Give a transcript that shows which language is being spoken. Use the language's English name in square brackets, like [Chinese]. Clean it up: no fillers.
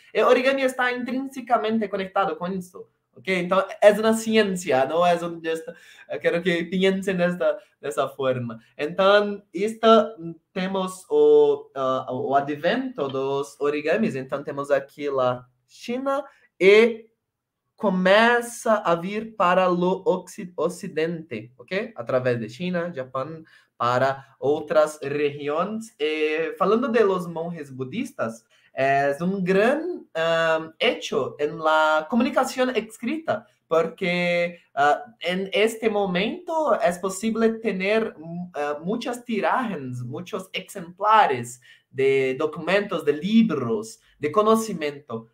[Spanish] El origami está intrínsecamente conectado con esto, ¿ok? Entonces, es una ciencia, no es un just, quiero que piensen de esa forma. Entonces, tenemos el advento de los origamis. Entonces, tenemos aquí la China y [Portuguese] começa a vir para o Ocidente, ok? Através de China, Japão, para outras regiões. E falando de [Spanish] los monjes budistas, [Portuguese] é um grande [Spanish] hecho en la comunicación escrita, porque en este momento es posible tener muchas tirajes, muchos exemplares de documentos, de libros, de conocimiento.